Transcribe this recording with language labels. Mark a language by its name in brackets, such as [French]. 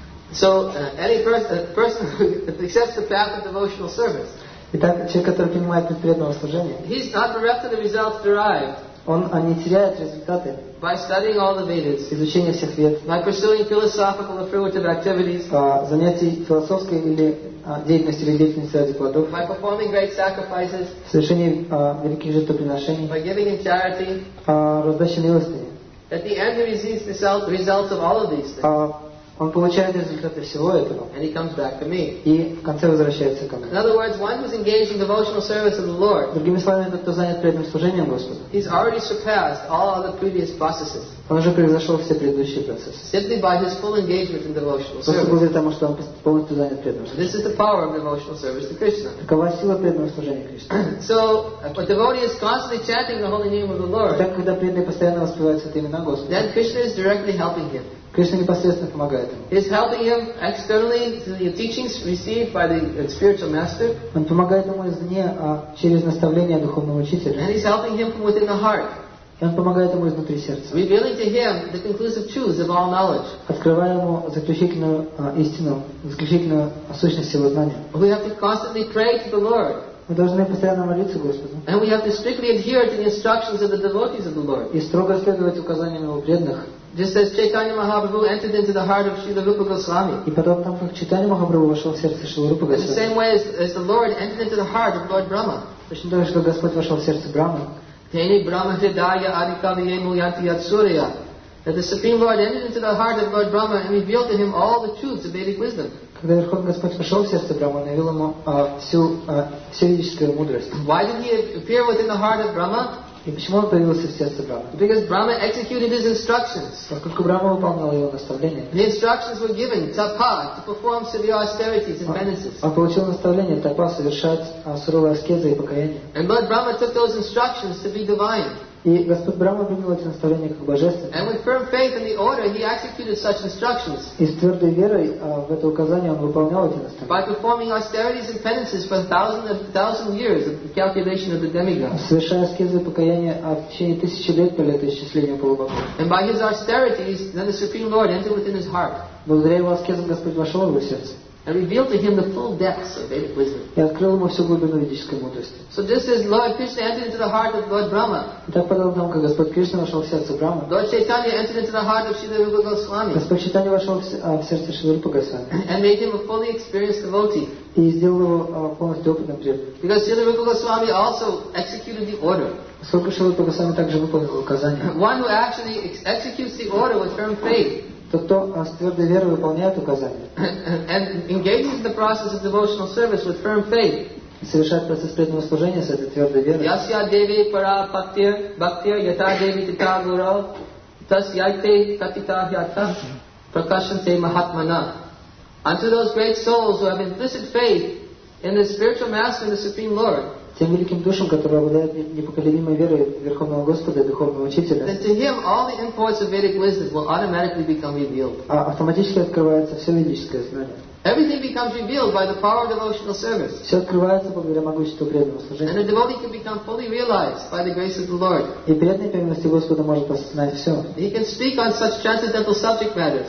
[English] So any person who accepts the path of devotional service. [Russian] Итак, человек, который принимает предпреданного служения, [English] he's not bereft of the results derived. [Russian] Он не теряет результаты. [English] By studying all the Vedas, [Russian] изучение всех Вед, [English] by pursuing philosophical and fruitive activities, [Russian] занятий философской или деятельности религиозных ради плодов, [English] by performing great sacrifices, [Russian] совершение великих жертвоприношений, [English] by giving in charity, [Russian] раздача милостыни, [English] that the end receives the results of all of these things. [Russian] Он получает результаты всего этого. [English] And he comes back to me. [Russian] И в конце возвращается ко мне. [English] In other words, one who's engaged in devotional service of the Lord. [Russian] Другими словами, тот, кто занят преданным служением Господу. [English] He's already surpassed all other previous processes. [Russian] Он уже превзошел все предыдущие процессы. [English] Simply by his full engagement in devotional service. [Russian] Просто благодаря тому, что он полностью занят преданным. [English] This is the power of devotional service to Krishna. [Russian] Такова сила преданного служения Кришне. [English] So, a devotee is constantly chanting the holy name of the Lord. [Russian] Так, когда преданный постоянно воспевает святые имена Господа. [English] Then Krishna is directly helping him. [Russian] Кришна непосредственно помогает ему. [English] He's helping him externally through the teachings received by the spiritual master. [Russian] Он помогает ему извне, через наставление духовного учителя. [English] And he's helping him from within the heart. [Russian] И он помогает ему изнутри сердца. [English] Revealing to him the conclusive truth of all knowledge. [Russian] Открывая ему заключительную истину, заключительную сущность его знания. [English] We have to constantly pray to the Lord. [Russian] Мы должны постоянно молиться Господу. [English] And we have to strictly adhere to the instructions of the devotees of the Lord. [Russian] И строго следовать указаниям его преданных. [English] Just as Chaitanya Mahaprabhu entered into the heart of Srila Rupa Goswami. The same way as the Lord entered into the heart of Lord Brahma. [Russian] Точно так же, как Господь вошел в сердце Брахмы. [Sanskrit] Тени Брахма Хридая Адикавие Муяти Ятсурия. [English] That the Supreme Lord entered into the heart of Lord Brahma and revealed to him all the truths of Vedic wisdom. [Russian] Когда Верховный Господь вошел в сердце Брахмы, он явил ему всю ведическую мудрость. [English] Why did he appear within the heart of Brahma? [Russian] И почему он появился в сердце Брахмы? [English] Because Brahma executed his instructions. [Russian] Поскольку Брахма выполнил его наставление. [English] The instructions were given tapa to perform severe austerities and penances. [Russian] Он получил наставление тапа совершать суровые аскезы и покаяния. [English] And Lord Brahma took those instructions to be divine. [Russian] И Господь Брахма принял эти наставления как божественные. [English] And with firm faith in the order, he executed such instructions. [Russian] И с твердой верой в это указание он выполнял эти наставления. [English] By performing austerities and penances for thousand years of the calculation of the demigods. [Russian] Совершая аскезы покаяния в течение тысячи лет по летоисчислению полубогов. [English] And by his austerities, then the Supreme Lord entered within his heart. [Russian] Благодаря его аскезам Господь вошел в его сердце. [English] And revealed to him the full depths of Vedic wisdom. [Russian] И открыл ему всю глубину ведической мудрости. [English] So just as Lord Krishna entered into the heart of Lord Brahma. [Russian] Так подобно тому, как Господь Кришна вошел в сердце Брахмы. [English] Lord Chaitanya entered into the heart of Srila Rupa Goswami. [Russian] Господь Чайтанья вошел в сердце Шрилы Рупы Госвами. [English] And made him a fully experienced devotee. [Russian] И сделал его полностью опытным преданным. [English] Because Srila Rupa Goswami also executed the order. [Russian] Поскольку Шрилы Рупы Госвами также выполнил указания. [English] One who actually executes the order with firm faith. [Russian] Тот, кто с твердой верой выполняет указания. [English] And engages in the process of devotional service with firm faith. [Russian] Совершает процесс преданного служения с этой твердой верой. [Sanskrit] Ясья деви пара бхактир, бхактир, ята деви тита гурав, тас яйте катита хьята, пракашанте махатмана. [English] Unto those great souls who have implicit faith in the spiritual master and the Supreme Lord. [Russian] Тем великим душам, которые обладают непоколебимой верой в Верховного Господа и Духовного Учителя. [English] And to him all the imports of Vedic wisdom will automatically become revealed. [Russian] Автоматически открывается все ведическое знание. [English] Everything becomes revealed by the power of devotional service. [Russian] Все открывается благодаря могуществу преданного служения. [English] And a devotee can become fully realized by the grace of the Lord. [Russian] И преданный по милости Господа может осознать все. [English] He can speak on such transcendental subject matters.